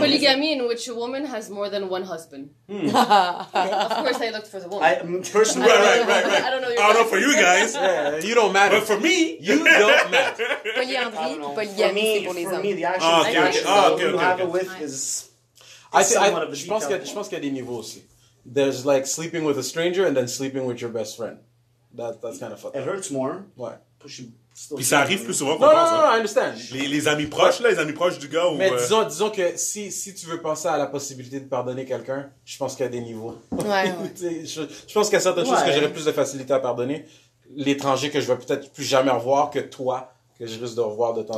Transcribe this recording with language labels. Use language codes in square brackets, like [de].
[en] Polygamy in which a woman has more than one husband. Of course, I looked for the woman. Personally, right. I don't know. I don't know for you guys. Yeah, you don't matter. But for me, you don't matter. Polyandrie, polygamy, for me, the action that you have with is... [fr] I pense qu'il y a des niveaux aussi. [en] There's like sleeping with a stranger and then sleeping with your best friend. That's kind of fucked up. It hurts more. Why? [fr] Puis ça arrive plus souvent qu'on pense. [en] Non, I understand. [fr] Les amis proches, là, les amis proches du gars ou... Mais disons que si tu veux penser à la possibilité de pardonner quelqu'un, je pense qu'il y a des niveaux. Ouais. Je pense qu'il y a certaines choses que j'aurais plus de facilité à pardonner. L'étranger que je vais peut-être plus jamais revoir que toi, que je risque de revoir de temps en temps.